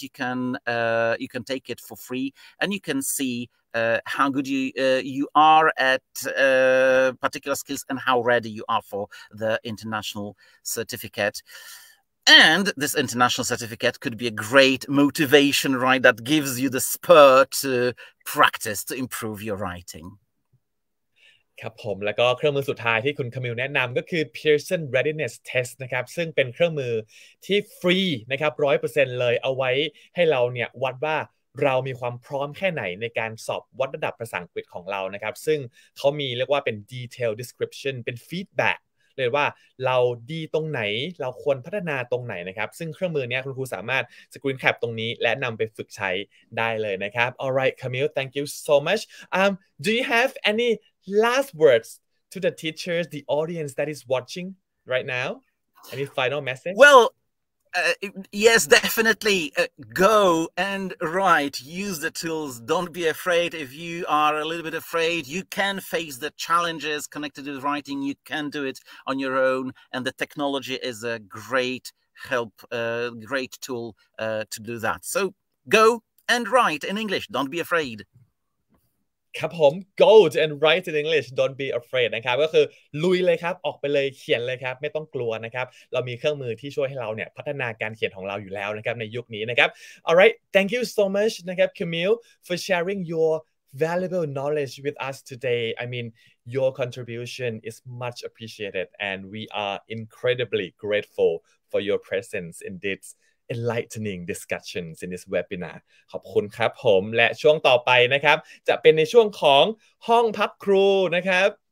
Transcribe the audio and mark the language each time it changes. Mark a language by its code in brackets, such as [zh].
[en] You can take it for free, and you can see how good you you are at particular skills and how ready you are for the international certificate. And this international certificate could be a great motivation, right? That gives you the spur to practice, to improve your writing. [th] ครับผมแล้วก็เครื่องมือสุดท้ายที่คุณคามิลแนะนำก็คือ Pearson Readiness Test นะครับซึ่งเป็นเครื่องมือที่ฟรีนะครับ 100% เลยเอาไว้ให้เราเนี่ยวัดว่า เรามีความพร้อมแค่ไหนในการสอบวัดระดับภาษาอังกฤษของเรานะครับซึ่งเขามีเรียกว่าเป็น detail description เป็น feedbackเรียกว่าเราดีตรงไหนเราควรพัฒนาตรงไหนนะครับซึ่งเครื่องมือนี้คุณครูสามารถสกรีนแคปตรงนี้และนำไปฝึกใช้ได้เลยนะครับ [en] alright Camille thank you so much do you have any last words to the teachers the audience that is watching right now any final message well yes definitely go and write use the tools don't be afraid if you are a little bit afraid you can face the challenges connected with writing you can do it on your own and the technology is a great help great tool to do that so go and write in English don't be afraid [th] ครับผม [en] go and write in English don't be afraid [th] นะครับก็คือลุยเลยครับออกไปเลยเขียนเลยครับไม่ต้องกลัวนะครับเรามีเครื่องมือที่ช่วยให้เราเนี่ยพัฒนาการเขียนของเราอยู่แล้วนะครับในยุคนี้นะครับ [en] alright thank you so much [th] นะครับ Camille [en] for sharing your valuable knowledge with us today I mean your contribution is much appreciated and we are incredibly grateful for your presence in thisenlightening discussions in this webinar [th] ขอบคุณครับผมและช่วงต่อไปนะครับจะเป็นในช่วงของห้องพักครูนะครับ